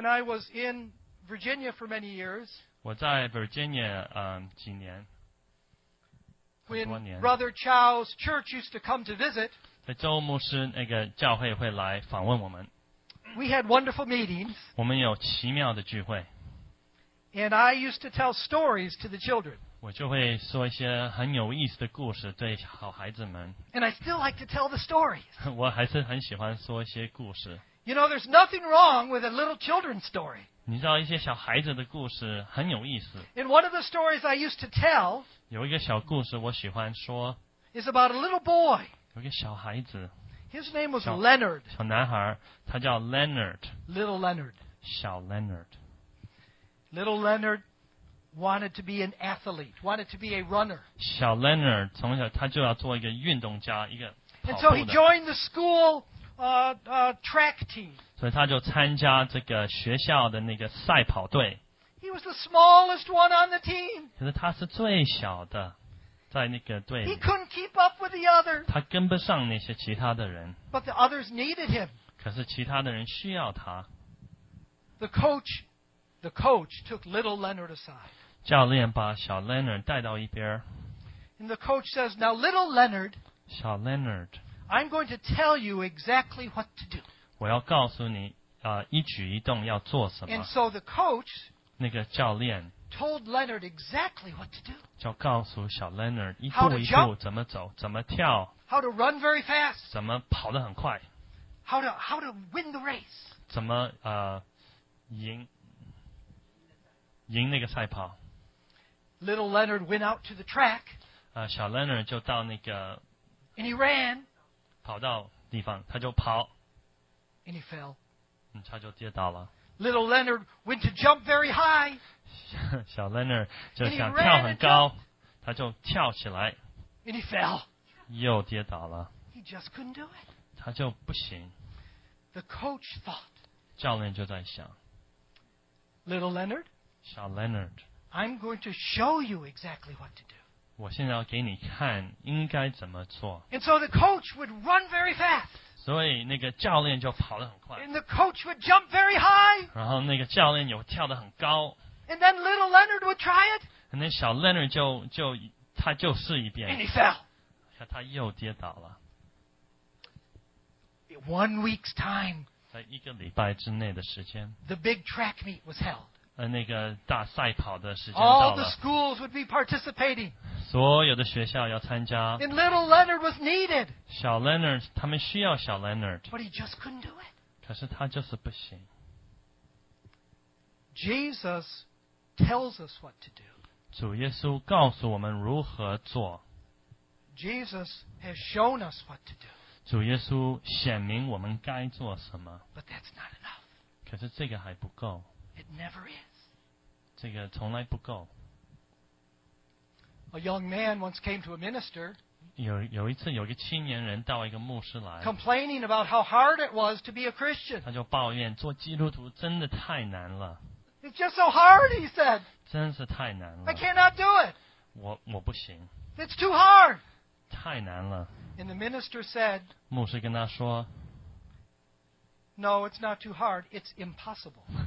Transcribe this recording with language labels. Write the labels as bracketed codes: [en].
[en] When I was in Virginia for many years, [zh] 我在 Virginia 几年。 [en] When Brother Chow's church used to come to visit, [zh] 周牧师那个教会会来访问我们。 [en] We had wonderful meetings. [zh] 我们有奇妙的聚会。 [en] And I used to tell stories to the children. [zh] 我就会说一些很有意思的故事对好孩子们。 [en] And I still like to tell the stories. [zh] 我还是很喜欢说一些故事。 [en] You know, there's nothing wrong with a little children's story. [zh] 你知道一些小孩子的故事很有意思。 [en] And one of the stories I used to tell. [zh] 有一个小故事我喜欢说。 [en] Is about a little boy. [zh] 有一个小孩子。 [en] His name was Leonard. [zh] 小男孩，他叫 Leonard. [en] Little Leonard. [zh] 小 Leonard. [en] Little Leonard wanted to be an athlete, wanted to be a runner. [zh] 小 Leonard 从小他就要做一个运动家，一个跑步的。 [en] And so he joined the school track team. [zh] 所以他就参加这个学校的那个赛跑队。 [en] He was the smallest one on the team. [zh] 可是他是最小的。在那个队里 [en] He couldn't keep up with the others. [zh] 他跟不上那些其他的人。 [en] But the others needed him. [zh] 可是其他的人需要他。 [en] The coach took little Leonard aside. [zh] 教练把小 Leonard 带到一边。 [en] And the coach says, Now little Leonard, [zh] 小 Leonard, [en] I'm going to tell you exactly what to do. [zh] 我要告诉你一举一动要做什么。 [en] And so the coach, [zh] 那个教练 [en] Told Leonard exactly what to do. [zh] 就告诉小 Leonard 一步一步怎么走，怎么跳。 [en] How to run very fast. [zh] 怎么跑得很快。 [en] How to win the race. [zh] 怎么赢那个赛跑。 [en] Little Leonard went out to the track. [zh] 小 Leonard 就到那个。 [en] And he ran. [zh] 跑到地方，他就跑。 [en] And he fell. [zh] 他就跌倒了。 [en] Little Leonard went to jump very high. [zh] 小 Leonard 就想跳很高，他就跳起来。 [en] And he fell. [zh] 又跌倒了。 [en] He just couldn't do it. [zh] 他就不行。 [en] The coach thought. [zh] 教练就在想。 [en] Little Leonard. [zh] 小 Leonard. [en] I'm going to show you exactly what to do. [zh] 我现在要给你看应该怎么做。 [en] And so the coach would run very fast. [zh] 所以那个教练就跑得很快。 [en] And the coach would jump very high. [zh] 然后那个教练又跳得很高。 [en] And then little Leonard would try it. And then [zh] 小 Leonard 就他就试一遍。 [en] And he fell. [zh] 他又跌倒了。 [en] One week's time. [zh] 在一个礼拜之内的时间。 [en] The big track meet was held. [zh] 那个大赛跑的时间到了。 [en] All the schools would be participating. [zh] 所有的学校要参加。 [en] And little Leonard was needed. [zh] 小 Leonard, 他们需要小 Leonard. [en] But he just couldn't do it. [zh] 可是他就是不行。 [en] Jesus tells us what to do. [zh] 主耶稣告诉我们如何做。 [en] Jesus has shown us what to do. [zh] 主耶稣显明我们该做什么。 [en] But that's not enough. [zh] 可是这个还不够。 [en] It never is. [zh] 这个从来不够。 [en] A young man once came to a minister. [zh] 有一次有一个青年人到一个牧师来。 [en] Complaining about how hard it was to be a Christian. [zh] 他就抱怨做基督徒真的太难了。 [en] It's just so hard, he said. [zh] 真是太难了。 [en] I cannot do it. [zh] 我不行。 [en] It's too hard. [zh] 太难了。 [en] And the minister said, [zh] 牧师跟他说, [en] No, it's not too hard, it's impossible.